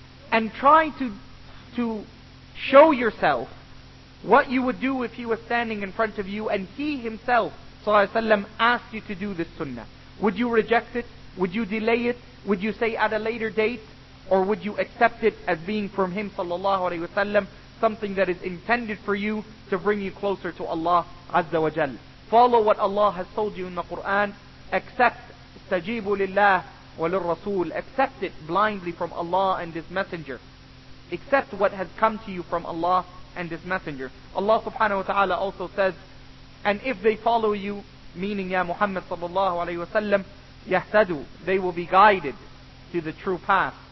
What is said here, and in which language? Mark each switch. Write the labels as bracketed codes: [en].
[en] And try to show yourself what you would do if he was standing in front of you and he himself, sallallahu alayhi wa sallam, asked you to do this sunnah. Would you reject it? Would you delay it? Would you say at a later date? Or would you accept it as being from him, sallallahu alayhi wa sallam, something that is intended for you to bring you closer to Allah, azza wa jal. Follow what Allah has told you in the Quran. [ar] Accept, استجيبوا لله وللرسول. [en] Accept it blindly from Allah and His Messenger. Accept what has come to you from Allah and His Messenger. Allah subhanahu wa ta'ala also says, and if they follow you, meaning Ya Muhammad sallallahu alayhi wa sallam, yahtadu, they will be guided to the true path.